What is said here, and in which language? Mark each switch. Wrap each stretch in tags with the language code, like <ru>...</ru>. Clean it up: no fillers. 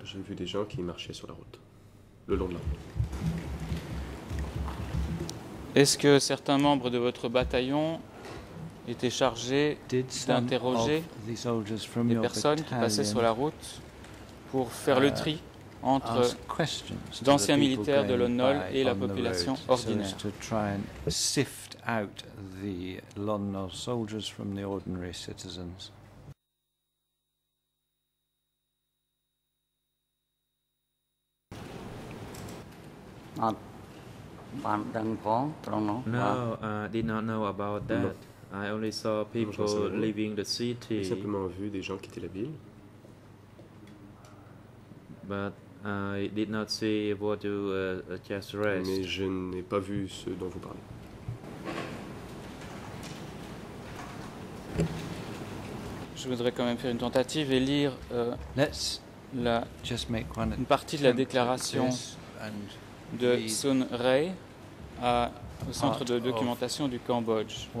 <fr>J'ai vu des gens qui marchaient sur la route, le long de la route. Est-ce que certains membres de votre bataillon étaient chargés d'interroger des personnes qui passaient sur la route pour faire le tri entre d'anciens militaires de l'ONNOL et la population ordinaire?</fr> <en>To try and sift out the LONNOL soldiers from the ordinary citizens. No, I did not know about that. No. I only saw people leaving the city.</en> <fr>J'ai simplement vu des gens quitter la ville.</fr> <en>But I did not see what you just read.</en> <fr>Mais je n'ai pas vu ce dont vous parlez. Je voudrais quand même faire une tentative et lire une partie de la déclaration de Sun Rai au centre de documentation du Cambodge.</fr>